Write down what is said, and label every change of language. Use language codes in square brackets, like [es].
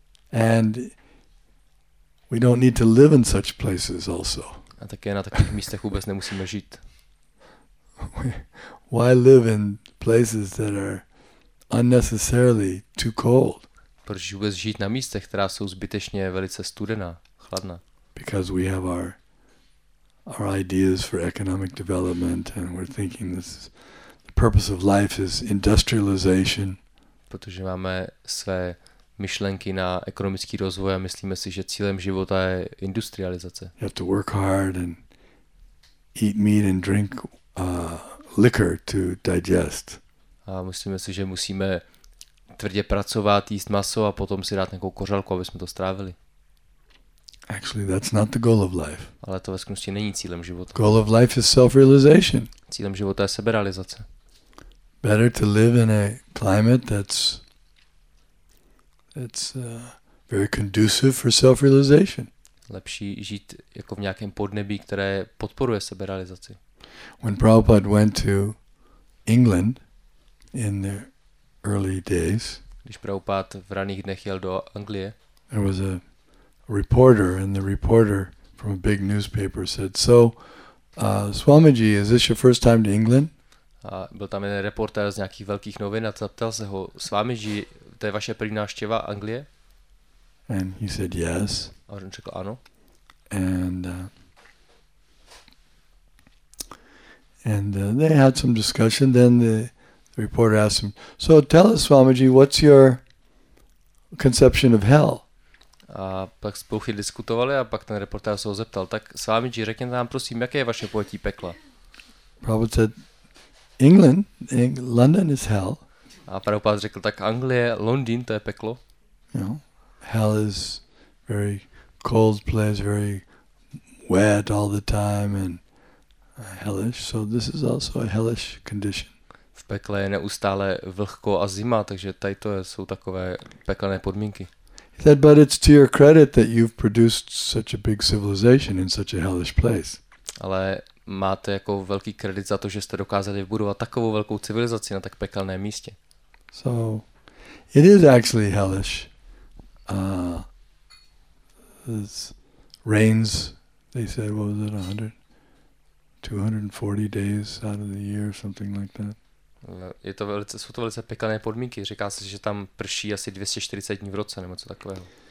[en] And we don't need to live in such places also. [cs] A také na takových místech vůbec nemusíme žít. [en] Why live in places that are unnecessarily too cold? [cs] Proč vůbec žít na místech, která jsou zbytečně velice studená, chladná? [en] Because we have our ideas for economic development and we're thinking this is the purpose of life is industrialization. [cs] Protože máme své myšlenky na ekonomický rozvoj a myslíme si, že cílem života je industrializace. [en] You have to work hard and eat meat and drink liquor to digest. [cs] A myslíme si, že musíme tvrdě pracovat, jíst maso a potom si dát nějakou kořalku, aby jsme to strávili. [en] Actually, that's not the goal of life. [cs] Ale to ve skutečnosti není cílem života. [en] Goal of life is self-realization. [cs] Cílem života je seberealizace. [en] Better to live in a climate that's very conducive for self-realization. [cs] Lepší žít jako v nějakém podnebí, které podporuje seberealizaci. [en] When Prabhupada went to England in the early days, [cs] když Prabhupada v raných dnech jel do Anglie, [en] there was a reporter, and the reporter from a big newspaper said, "So, Swamiji, is this your first time to England?" [cs] A byl tam jeden reportér z nějakých velkých novin a zeptal se ho, Swamiji, to je vaše první návštěva Anglie? [en] And he said yes. [cs] A on řekl ano. [en] And they had some discussion. Then the reporter asked him, "So tell us, Swamiji, what's your conception of hell?" [cs] A pak spolu chvíli diskutovali a pak ten reportér se ho zeptal, tak Swamiji, řekněte nám prosím, jaké je vaše pojetí pekla? [en] Prabhupada said, England, London is hell. [cs] A Prabhupada řekl, tak Anglie, Londýn, to je peklo. [en] You know, hell is very cold place, very wet all the time and hellish, so this is also a hellish condition. [cs] V pekle je neustále vlhko a zima, takže tady to jsou takové pekelné podmínky. [en] He said, but it's to your credit that you've produced such a big civilization in such a hellish place. [cs] Ale máte jako velký kredit za to, že jste dokázali vybudovat takovou velkou civilizaci na tak pekelném místě. [en] So, it is actually hellish. It's rains, they said, what was it, 100? 240 days out of the year, something like that. [cs] Je to velice, jsou to velice pekelné podmínky. Říká se, že tam prší asi 240 dní v roce nebo co takového.